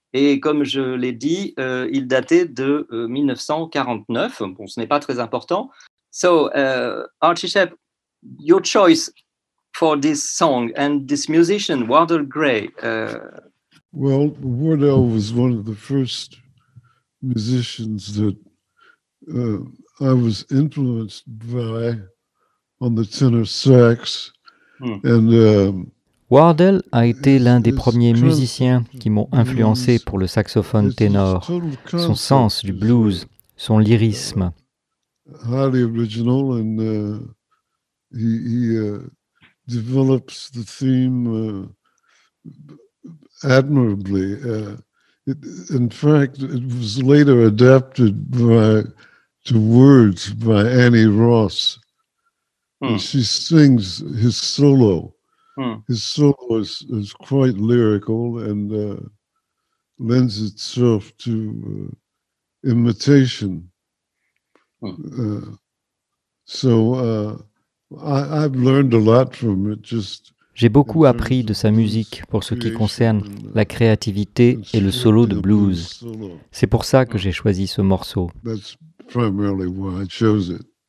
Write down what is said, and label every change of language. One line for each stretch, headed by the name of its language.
French: Et comme je l'ai dit, il datait de 1949. Bon, ce n'est pas très important.
English: So, Archie Shepp, your choice for this song and this musician, Wardell Gray. Well, Wardell was one of the first musicians that I was influenced by on the tenor sax. And
French: Wardell a été l'un des premiers musiciens qui m'ont influencé pour le saxophone ténor. Son sens du blues, son lyrisme.
English: Highly original, and he develops the theme admirably. In fact, it was later adapted to words by Annie Ross. And she sings his solo. His solo is quite lyrical and lends itself to imitation. I've learned a lot from it. Just
French: j'ai beaucoup appris de sa musique pour ce qui concerne la créativité et le solo de blues. C'est pour ça que j'ai choisi ce morceau.
English: That's primarily why I chose it.